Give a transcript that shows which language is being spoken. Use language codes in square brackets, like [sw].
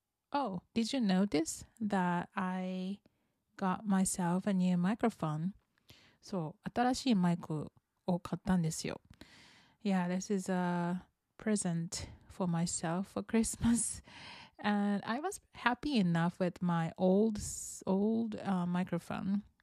[en] Oh, did you notice that I got myself a new microphone? [ja] So, 新しいマイクを買ったんですよ。 [en] Yeah, this is a present for myself for Christmas. And I was happy enough with my old microphone.